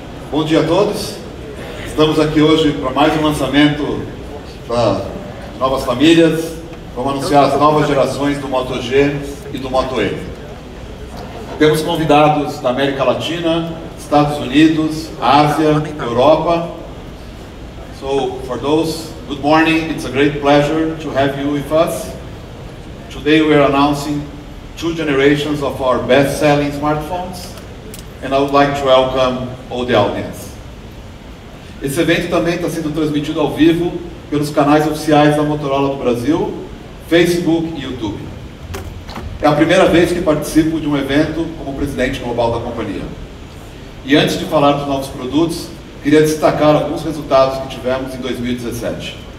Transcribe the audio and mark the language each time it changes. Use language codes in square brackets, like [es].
[pt] Bom dia a todos, estamos aqui hoje para mais um lançamento da Novas Famílias. Vamos anunciar as novas gerações do Moto G e do Moto E. Temos convidados da América Latina, Estados Unidos, Ásia, Europa. [en] So, for those, good morning, it's a great pleasure to have you with us. Today we are announcing two generations of our best-selling smartphones, and I would like to welcome all the audience. [pt] Esse evento também está sendo transmitido ao vivo pelos canais oficiais da Motorola do Brasil, Facebook e YouTube. É a primeira vez que participo de um evento como presidente global da companhia. E antes de falar dos novos produtos, queria destacar alguns resultados que tivemos em 2017.